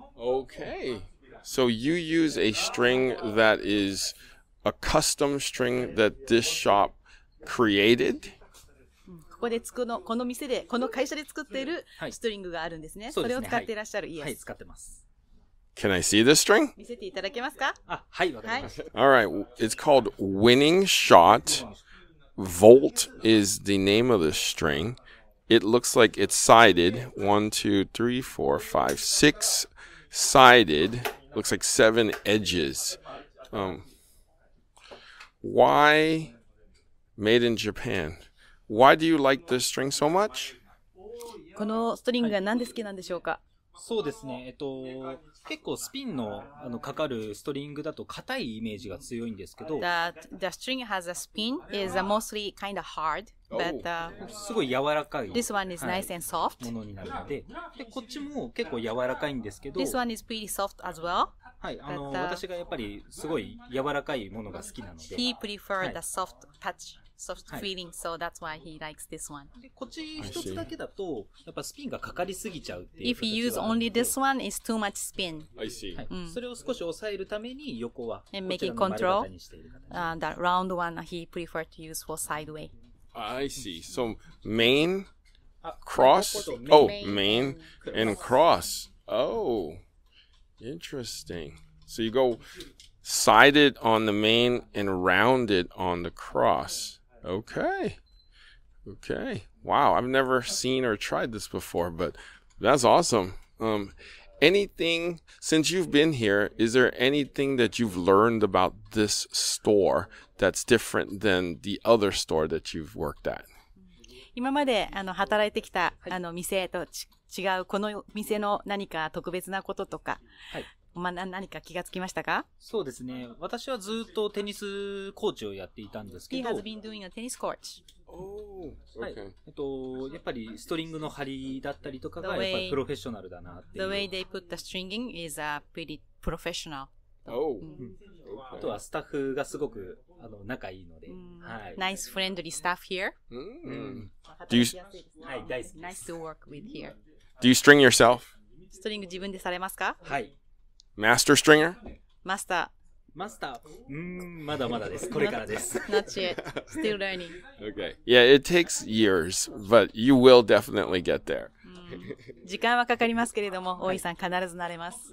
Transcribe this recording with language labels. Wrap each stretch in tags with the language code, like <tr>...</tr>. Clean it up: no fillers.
<en>okay so you use a string that is a custom string that this shop created?</en> <ja>ここで作のこの店でこの会社で作っているストリングがあるんですね。はい、それを使っていらっしゃる、はい、</ja> <en>イエス。</en> <ja>はい、使ってます。</ja> <en>Can I see this string?</en> <ja>見せていただけますか？あ、はい、わかりました。はい、</ja> <en>All right, it's called Winning Shot. Volt is the name of the string. It looks like it's sided. One, two, three, four, five, six sided. Looks like seven edges. Why made in Japan? Why do you like this string so much?</en> <ja>このストリングがなんで好きなんでしょうか。そうですね。結構スピンのかかるストリングだと硬いイメージが強いんですけど。</ja> <en>The string has a spin is mostly kind of hard, but</en> <ja>すごい柔らかい。</ja> <en>This one is nice and soft.</en> <ja>ものになるので、でこっちも結構柔らかいんですけど。</ja> <en>This one is pretty soft as well.</en> <ja>はい、私がやっぱりすごい柔らかいものが好きなので。</ja> <en>He preferred the soft touch, soft feeling,、はい、so that's why he likes this one.</en> <ja>こっち一つだけだと、やっぱスピンがかかりすぎちゃうっていう。</ja> <en>If you use only this one, it's too much spin. I see.、</en> <ja>はい、それを少し抑えるために横はこちらの丸型にしている。</ja> <en>And making control, the round one he preferred to use for sideway. I see. So main, cross, oh, main and cross. Oh. Interesting. So you go sided on the main and rounded on the cross. Okay. Okay. Wow. I've never seen or tried this before, but that's awesome. Anything since you've been here, is there anything that you've learned about this store that's different than the other store that you've worked at?</en> <ja>今まで働いてきた店と違うこの店の何か特別なこととか、はい、まあ、何か気がつきましたか？そうですね。私はずっとテニスコーチをやっていたんですけど、</ja> <en>He has been doing a tennis coach. Oh, okay.</en> <ja>はい。やっぱりストリングの張りだったりとかがやっぱりプロフェッショナルだなっていう。</ja> <en>The way they put the stringing is a pretty professional. Oh. うん。Okay.</en> <ja>あとはスタッフがすごく仲いいので、はい。</ja> <en>Nice friendly staff here.</en> <ja>はい、大好きです。</ja> <en>Nice to work with here. Do you string yourself?</en> <ja>ストリング自分でされますか？はい。</ja> <en>Master stringer?</en> <ja>マスター。まだまだです。これからです。</ja> <en>Not yet. Still learning. Okay. Yeah, it takes years, but you will definitely get there.</en> <ja>時間はかかりますけれども、大井さん必ずなれます。</ja>